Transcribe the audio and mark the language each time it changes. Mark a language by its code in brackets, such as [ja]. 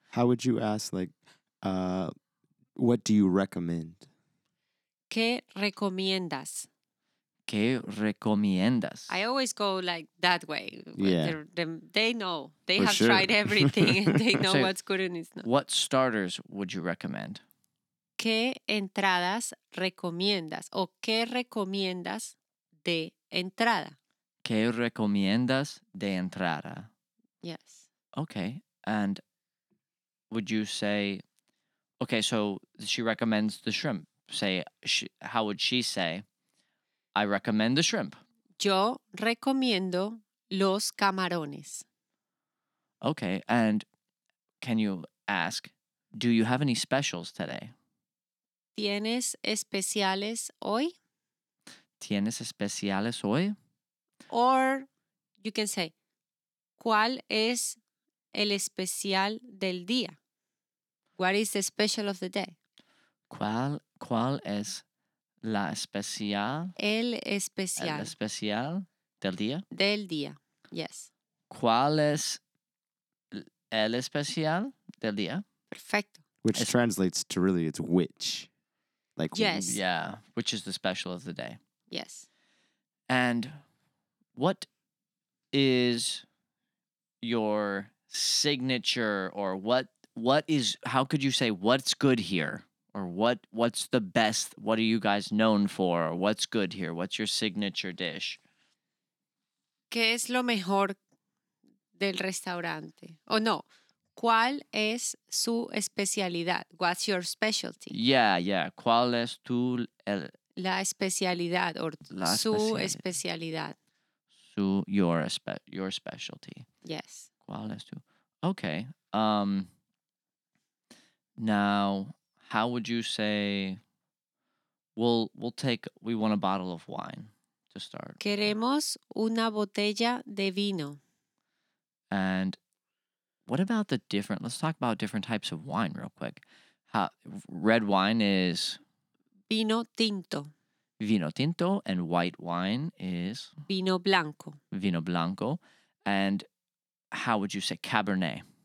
[en] How would you ask, like, what do you recommend? [es] ¿Qué recomiendas? ¿Qué recomiendas? [en] I always go like that way. Yeah. They know. They For have sure. tried everything and they know so what's good and it's not. What starters would you recommend? [es] ¿Qué entradas recomiendas? ¿O qué recomiendas de entrada? ¿Qué recomiendas de entrada? [en] Yes. Okay. And would you say, okay, so she recommends the shrimp. Say, how would she say, I recommend the shrimp. [es] Yo recomiendo los camarones. [en] Okay, and can you ask, do you have any specials today? [es] ¿Tienes especiales hoy? ¿Tienes especiales hoy? [en] Or you can say, [es] ¿cuál es el especial del día? [en] What is the special of the day? [es] ¿Cuál es la especial? El especial. El especial del día. Del día, yes. ¿Cuál es el especial del día? Perfecto. [en] Which translates to really, it's which. Like, yes. Yeah, which is the special of the day. Yes. And what is your signature or what is, how could you say what's good here? Or what's the best, what are you guys known for? Or what's good here? What's your signature dish? [es] ¿Qué es lo mejor del restaurante? [en] Oh, no. [es] ¿Cuál es su especialidad? [en] What's your specialty? Yeah, yeah. [es] ¿Cuál es tu... El... La especialidad or la especialidad. Su especialidad. [en] Su, your specialty. Yes. [es] ¿Cuál es tu...? [en] Okay. Now, how would you say... We want a bottle of wine to start. [es] Queremos una botella de vino. [en] And... what about the different, let's talk about different types of wine real quick. Red wine is? [es] Vino tinto. Vino tinto, [en] and white wine is? [es] Vino blanco. Vino blanco. [en] And how would you say Cabernet?